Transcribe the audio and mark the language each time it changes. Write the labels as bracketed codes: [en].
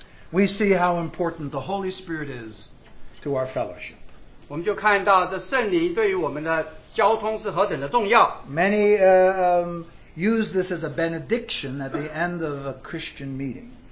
[en] we see how important the Holy Spirit is to our fellowship. [zh] 我们就看到这圣灵对于我们的交通是何等的重要。 [en] Many use this as a benediction at the end of a Christian meeting.